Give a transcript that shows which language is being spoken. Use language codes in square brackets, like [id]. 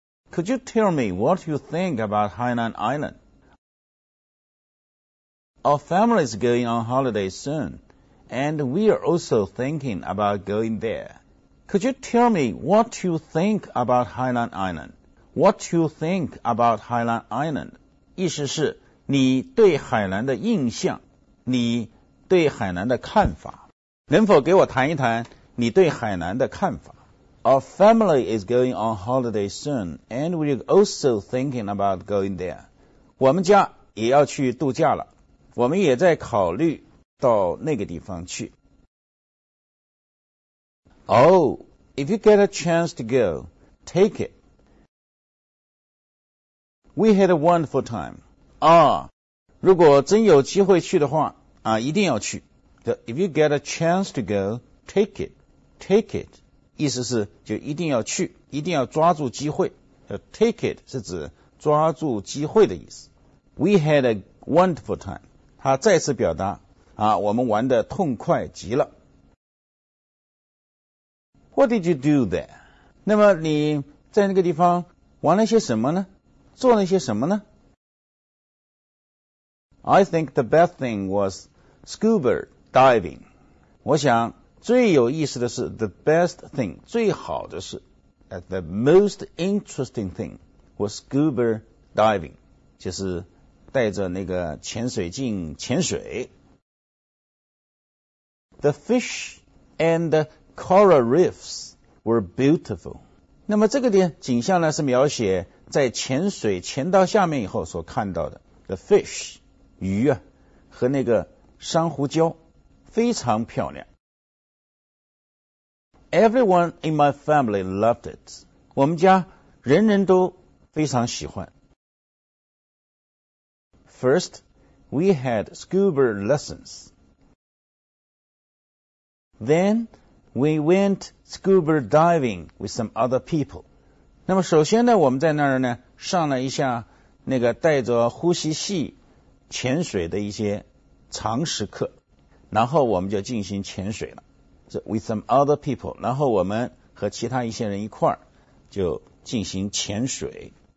[en] Could you tell me what you think about Hainan Island? Our family is going on holiday soon. And we are also thinking about going there. Could you tell me what you think about Hainan Island? What you think about Hainan Island? [zh] 意思是你对海南的印象，你对海南的看法。能否给我谈一谈你对海南的看法？ [en] Our family is going on holiday soon, and we are also thinking about going there. [zh] 我们家也要去度假了，我们也在考虑到那个地方去。 [en] Oh, if you get a chance to go, take it. We had a wonderful time. [zh] 啊，如果真有机会去的话，啊，一定要去。 [en] So, if you get a chance to go, take it. Take it. [zh] 意思是就一定要去，一定要抓住机会。 [en] So, take it [zh] 是指抓住机会的意思。 [en] We had a wonderful time. [zh] 他再次表达啊，我们玩得痛快极了。 [en] What did you do there? [zh] 那么你在那个地方玩了些什么呢？做了些什么呢？ [en] I think the best thing was scuba diving. [zh] 我想最有意思的是 [en] the best thing, [zh] 最好的是 [en] the most interesting thing was scuba diving, [zh] 就是带着那个潜水镜潜水。 [en] The fish and the coral reefs were beautiful. [zh] 那么这个景象呢，是描写在潜水潜到下面以后所看到的。 [en] The fish, [zh] 鱼啊，和那个珊瑚礁，非常漂亮。 [en] Everyone in my family loved it. [zh] 我们家人人都非常喜欢。 [en] First, we had scuba lessons. Then we went scuba diving with some other people. [zh] 那么首先呢，我们在那儿呢上了一下那个带着呼吸器潜水的一些常识课，然后我们就进行潜水了。 [en] So, with some other people, [zh] 然后我们和其他一些人一块儿就进行潜水。